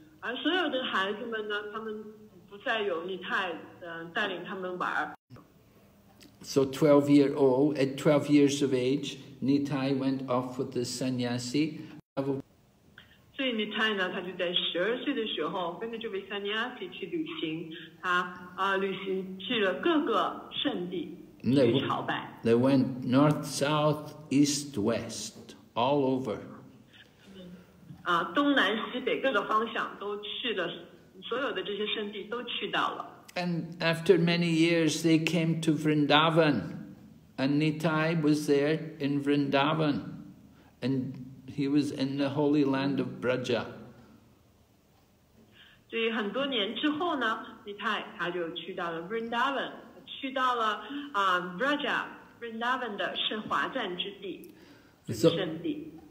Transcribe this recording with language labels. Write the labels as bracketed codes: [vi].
[zh] 而所有的孩子们呢，他们不再有你太带领他们玩。 [en] So 12 year old, at 12 years of age, Nitai went off with the sannyasi. [zh] 所以你太呢，他就在十二岁的时候跟着这位 sannyasi 去旅行，他旅行去了各个圣地去朝拜。 [en] They went north, south, east, west, all over. [zh] 东南西北各个方向都去了，所有的这些圣地都去到了。 [en] And after many years, they came to Vrindavan, and Nitai was there in Vrindavan, and he was in the holy land of Braja. [zh] 所以很多年之后呢 ，Nitai 他就去到了 Vrindavan， 去到了Braja Vrindavan 的圣华赞之地，圣地。